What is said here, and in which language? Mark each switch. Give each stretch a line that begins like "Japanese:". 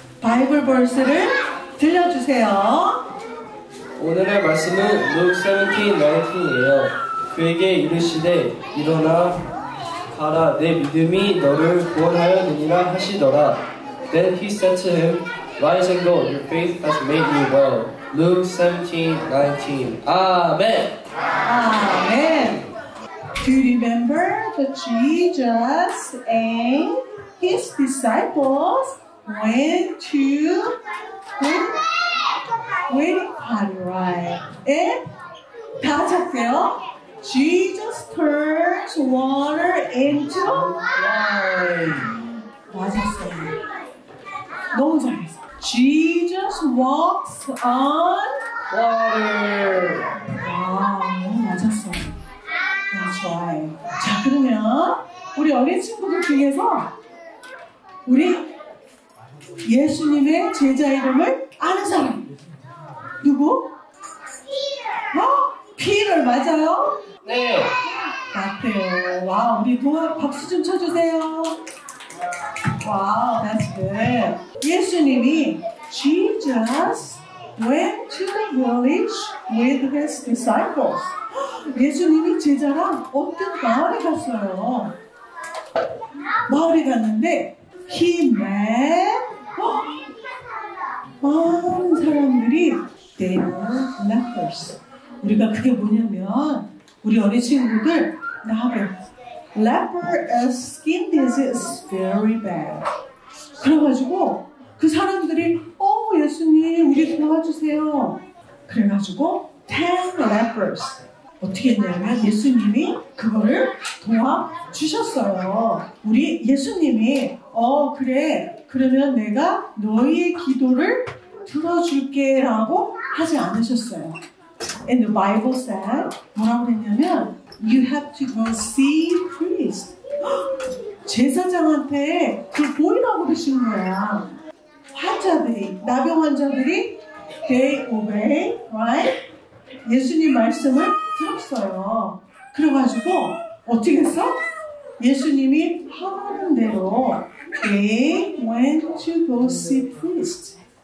Korean: 바이블 벌스를 들려주세요. 오늘의 말씀은 룩 17:19이에요. 그에게 이르시되 일어나 가라 내 믿음이 너를 구원하였느니라 하시더라.
English: Then he said to him, Rise and go, your faith has made you well. Luke 17:19. Amen. Amen. Do you remember that Jesus and his disciples went to and
Korean: 다섯째요.
English: Jesus turns water into wine.
Korean: 맞았어요. 너무 잘했어.
English: Jesus walks on water.
Korean: 아, 너무 맞았어요. 좋아요. 자, 그러면 우리 어린 친구들 중에서 우리 예수님의 제자 이름을 아는 사람 누구? 피터. 어? 피터 맞아요? 네. 맞아요. 와, 우리 동아 박수 좀 쳐주세요.
English: 와, that's good.
Korean: 예수님이
English: Jesus went to the village with his disciples.
Korean: 예수님이 제자랑 어떤 마을에 갔어요? 마을에 갔는데
English: he met
Korean: 많은 사람들이
English: they were lepers.
Korean: 우리가 그게 뭐냐면 우리 어린 친구들 나하고
English: leper skin disease very bad.
Korean: 그래가지고 그 사람들이 오 예수님 우리 도와주세요. 그래가지고 10 lepers 어떻게 했냐면 예수님이 그거를 도와주셨어요. 우리 예수님이 어 그래 그러면 내가 너희의 기도를 들어줄게 라고 하지 않으셨어요.
English: And the Bible said
Korean: 뭐라고 했냐면
English: You have to go see priest.
Korean: 제사장한테 그 보이라고 그러신 거야. 환자들이 나병 환자들이
English: they obey right?
Korean: 예수님 말씀을 들었어요. 그래가지고 어떻게 했어? 예수님이 하라는 대로
English: they went to go see priest.